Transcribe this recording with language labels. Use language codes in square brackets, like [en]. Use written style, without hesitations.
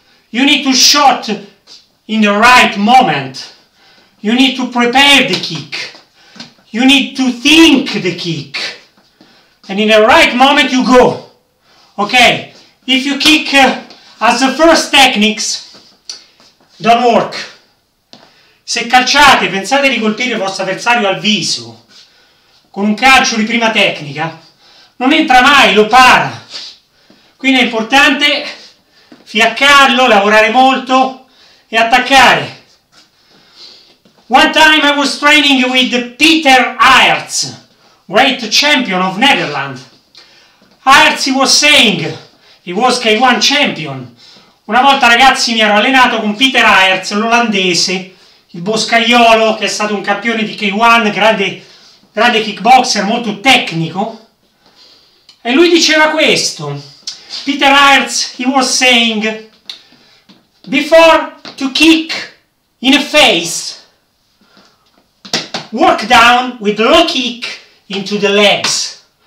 [en] You need to shot in the right moment. You need to prepare the kick. You need to think the kick. And in the right moment you go. Okay. If you kick as the first techniques, don't work. [it] Se calciate, pensate di colpire il vostro avversario al viso con un calcio di prima tecnica, non entra mai, lo para. Quindi è importante fiaccarlo, lavorare molto e attaccare. [en] One time I was training with Peter Aerts, great champion of Netherlands. Aerts was saying, he was K1 champion. [it] Una volta, ragazzi, mi ero allenato con Peter Aerts, l'olandese, il boscaiolo, che è stato un campione di K1, grande kickboxer, molto tecnico. E lui diceva questo. [en] Peter Aerts, he was saying, before to kick in the face, work down with low kick into the legs.